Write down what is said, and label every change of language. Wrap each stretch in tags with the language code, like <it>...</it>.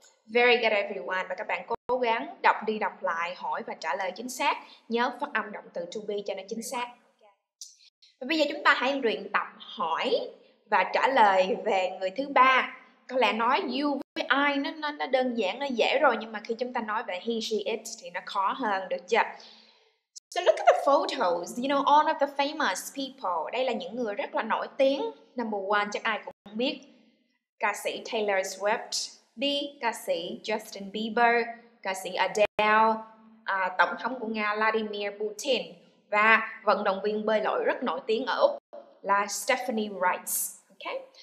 <en>Very good, everyone.</en> <vi>Và các bạn cố gắng đọc đi đọc lại, hỏi và trả lời chính xác. Nhớ phát âm động từ to be cho nó chính xác. Và bây giờ chúng ta hãy luyện tập hỏi và trả lời về người thứ ba. Có lẽ nói you với I nó đơn giản, nó dễ rồi. Nhưng mà khi chúng ta nói về he, she, it thì nó khó hơn, được chưa?</vi> <en>So look at the photos, you know, all of the famous people.</en> <vi>Đây là những người rất là nổi tiếng. Number one, chắc ai cũng biết. Ca sĩ Taylor Swift. B, ca sĩ Justin Bieber. Ca sĩ Adele. Tổng thống của Nga Vladimir Putin. Và vận động viên bơi lội rất nổi tiếng ở Úc là Stephanie Wright. Okay.</vi>